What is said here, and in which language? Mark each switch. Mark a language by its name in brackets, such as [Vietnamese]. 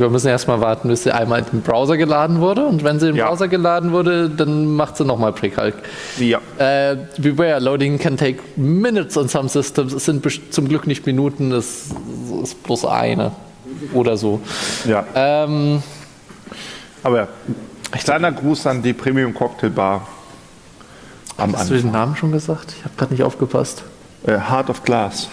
[German] Wir müssen erstmal warten, bis sie einmal in den Browser geladen wurde. Und wenn sie in den Browser geladen wurde, dann macht sie nochmal pre-calc. Ja. [English] Beware, loading can take minutes on some systems. [German] Es sind zum Glück nicht Minuten, es ist bloß eine oder so. Ja. Aber kleiner Gruß an die Premium Cocktail Bar. Hast du den Namen schon gesagt? Ich habe gerade nicht aufgepasst. Heart of Glass.